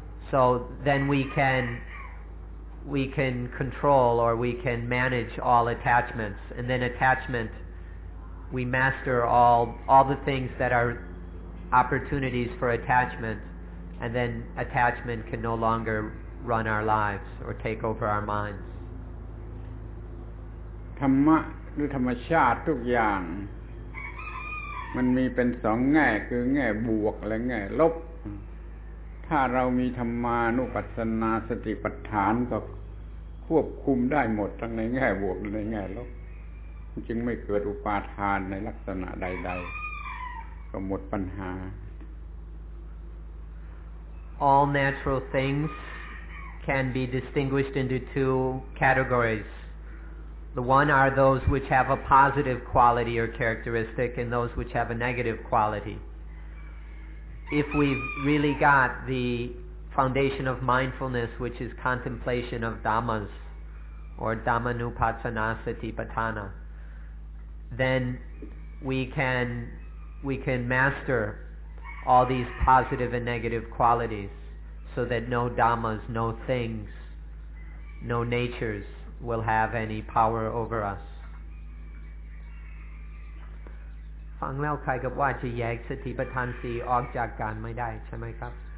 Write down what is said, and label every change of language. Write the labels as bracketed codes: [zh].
[en] So then we can control, or we can manage all attachments, and then attachment, we master all the things that are opportunities for attachment, and then attachment can no longer run our lives or take over our minds. [th] Dhamma or dhammachata ทุก อย่าง มันมีเป็น 2 แง่คือแง่บวกและแง่ลบถ้าเรามีธัมมานุปัสสนาสติปัฏฐานก็ควบคุมได้หมดทั้งในแง่บวกและในแง่ลบจึงไม่เกิดอุปาทานในลักษณะใดๆก็หมดปัญหา. [en] All natural things can be distinguished into two categories. The one are those which have a positive quality or characteristic, and those which have a negative quality. If we've really got the foundation of mindfulness, which is contemplation of dhammas, or dhammanupassana satipatthana, then we can master all these positive and negative qualities, so that no dhammas, no things, no natures will have any power over us. [th] ฟังแล้วใครก็ว่าจะแยกสติปัฏฐาน 4 ออกจากกันไม่ได้ใช่ไหมครับ